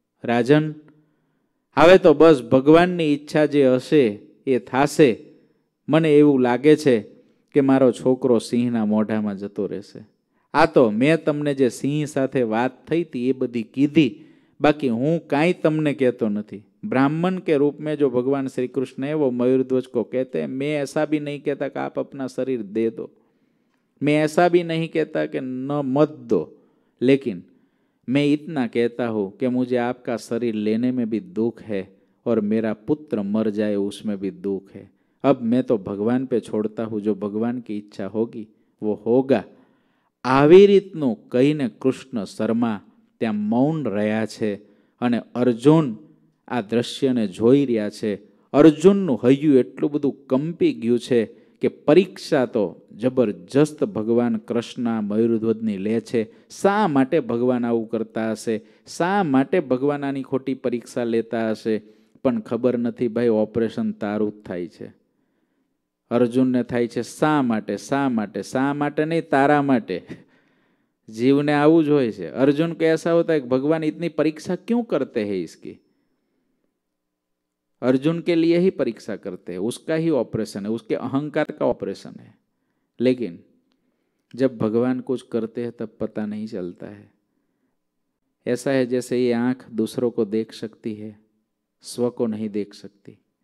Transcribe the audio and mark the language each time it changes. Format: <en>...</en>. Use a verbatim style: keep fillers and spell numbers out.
<gu>રાજન, હવે તો બસ ભગવાનની ઈચ્છા જે હશે એ થાશે. મને એવું લાગે છે કે મારો છોકરો સિંહના મોઢામાં જતો રહેશે. આ તો મેં તમને જે સિંહ સાથે વાત થઈ હતી એ બધી કીધી, બાકી હું કાંઈ તમને કહેતો નથી.</gu> <hi>ब्राह्मण के रूप में जो भगवान श्री कृष्ण है वो मयूरध्वज को कहते हैं, मैं ऐसा भी नहीं कहता कि आप अपना शरीर दे दो, मैं ऐसा भी नहीं कहता कि न मत दो, लेकिन मैं इतना कहता हूँ कि मुझे आपका शरीर लेने में भी दुख है और मेरा पुत्र मर जाए उसमें भी दुख है. अब मैं तो भगवान पे छोड़ता हूँ, जो भगवान की इच्छा होगी वो होगा.</hi> <gu>આવી રીતનું કહીને કૃષ્ણ શર્મા ત્યાં મૌન રહ્યા છે અને અર્જુન આ દ્રશ્યને જોઈ રહ્યા છે. અર્જુનનું હૈયું એટલું બધું કંપી ગયું છે કે પરીક્ષા તો જબરજસ્ત ભગવાન કૃષ્ણ મયુરધ્વજની લે છે. શા માટે ભગવાન આવું કરતા હશે? શા માટે ભગવાન આની ખોટી પરીક્ષા લેતા હશે? પણ ખબર નથી ભાઈ, ઓપરેશન તારું જ થાય છે. અર્જુનને થાય છે શા માટે, શા માટે, શા માટે નહીં, તારા માટે. જીવને આવું જ હોય છે.</gu> <hi>અર્જુન કે એસા હોતા કે ભગવાન ઇતની પરીક્ષા ક્યું કરતે હૈ ઇસકી. अर्जुन के लिए ही परीक्षा करते हैं, उसका ही ऑपरेशन है, उसके अहंकार का ऑपरेशन है. लेकिन जब भगवान कुछ करते हैं तब पता नहीं चलता है. ऐसा है जैसे ये आँख दूसरों को देख सकती है, स्व को नहीं देख सकती.</hi>